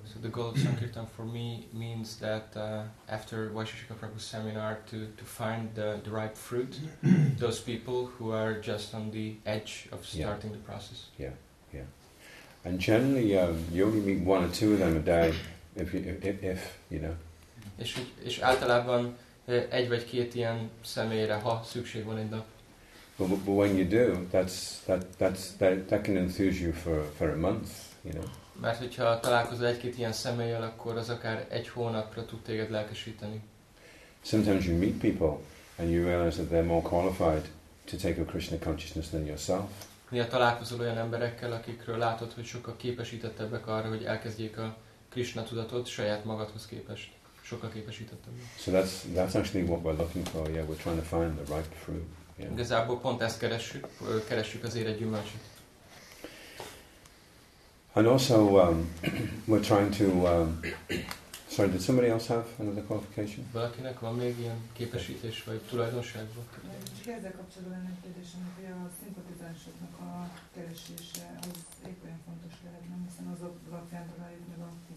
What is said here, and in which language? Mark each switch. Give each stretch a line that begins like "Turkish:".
English: So the goal of Sankirtan for me means that after Vaisheshika Prabhu's seminar to find the ripe fruit, those people who are just on the edge of starting the process. And generally, you only meet one or two of them a day, if you know.
Hungarian: És általában egy vagy két ilyen személyre, ha szükség van egy nap.
English: But when you do, that can enthuse you for a month, you know.
Hungarian: Mert hogyha találkozol egy-két ilyen személlyel, akkor az akár egy hónapra tud téged lelkesíteni.
English: Sometimes you meet people and you realize that they're more qualified to take a Krishna consciousness than yourself.
Hungarian: Néha találkozol olyan emberekkel, akikről látod, hogy sokkal képesítettebbek arra, hogy elkezdjék a Krishna tudatot saját magadhoz képest. Sokkal képesítettebbek.
English: So that's actually what we're looking for. Yeah, we're trying to find the ripe fruit. Yeah.
Hungarian: Igazából pont ezt keressük az érett gyümölcsöt.
English: And also we're trying to did somebody else have another qualification?
Hungarian: Valakinek van még ilyen képesítés vagy tulajdonság? Ezzel kapcsolatban egy kérdésem, hogy a szimpatizánsoknak a keresése az épp olyan fontos lehet, nem? Hiszen az a lapján találjuk meg a